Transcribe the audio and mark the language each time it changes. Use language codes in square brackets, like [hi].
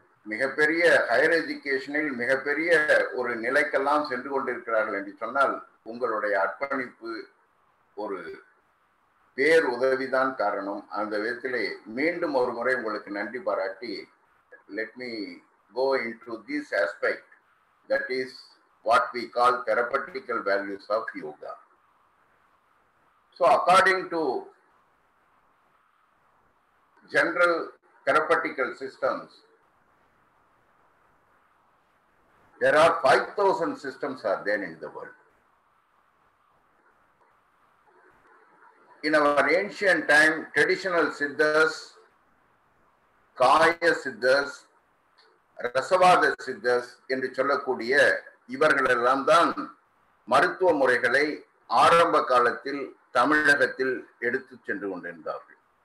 [ta] மிகப்பெரிய ஹையர் எஜுகேஷனில் மிகப்பெரிய ஒரு நிலைக்கெல்லாம் சென்று கொண்டிருக்கிறார்கள் என்று சொன்னால் உங்களுடைய அர்ப்பணிப்பு ஒரு பேர் உதவிதான் காரணம். அந்த விதத்திலே மீண்டும் ஒரு முறை உங்களுக்கு நன்றி பாராட்டி, [en] Let me go into this aspect, that is what we call therapeutical values of yoga. So according to general therapeutical systems, there are 5000 systems are there in the world. In our ancient time, traditional siddhas, kaya siddhas, [ta] ரசவாத siddhars என்று சொல்லக்கூடிய இவர்களெல்லாம் தான் மருத்துவ முறைகளை ஆரம்ப காலத்தில் தமிழகத்தில் எடுத்து சென்று கொண்டிருந்தார்கள்.